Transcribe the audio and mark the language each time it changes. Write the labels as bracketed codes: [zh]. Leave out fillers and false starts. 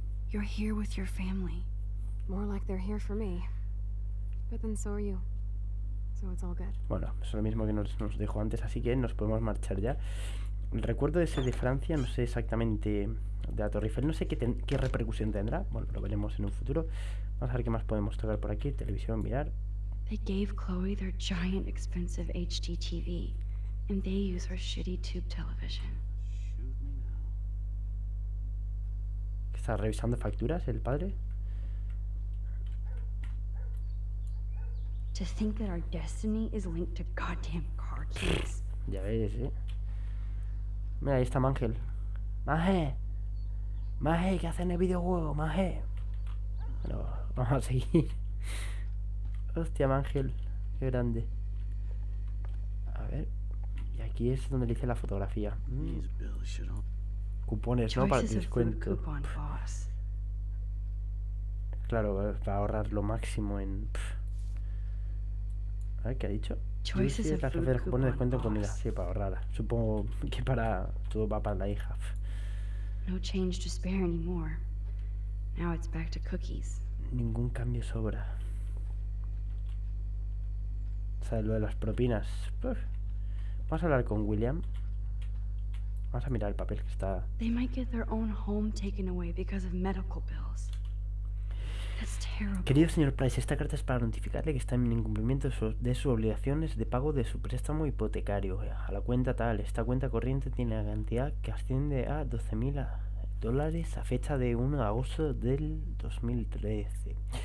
[en] You're here with your family. More like they're here for me. But then so are you. [es] Bueno, es lo mismo que nos dijo antes, así que nos podemos marchar ya. El recuerdo ese de Francia, no sé exactamente de la Torre Eiffel, no sé qué repercusión tendrá. Bueno, lo veremos en un futuro. Vamos a ver qué más podemos tocar por aquí. Televisión, mirar. [en] They gave Chloe their giant expensive HDTV, and they use her shitty tube television. [es] ¿Está revisando facturas el padre? [en] To think that our destiny is linked to goddamn car keys. [es] Ya ves, ¿eh? Mira, ahí está Mangel. Maje. Maje, ¿qué hacen en el videojuego? Maje. Bueno, vamos a seguir. Hostia, Mangel. Qué grande. ver. Y aquí es donde le hice la fotografía. Cupones, ¿no? Para el descuento. Claro, para ahorrar lo máximo en... A ver, ¿qué ha dicho? Cupones de descuento en comida. Sí, para ahorrar. Supongo que para... Todo va para la hija. [en] No change to spare anymore. Now it's back to cookies. [es] Ningún cambio sobra. O sea, lo de las propinas. Vamos a hablar con William. Vamos a mirar el papel que está. [en] They might get their own home taken away because of medical bills. That's terrible. [es] Querido señor Price, esta carta es para notificarle que está en incumplimiento de sus obligaciones de pago de su préstamo hipotecario. A la cuenta tal, esta cuenta corriente tiene la cantidad que asciende a 12.000 dólares a fecha de 1 de agosto del 2013.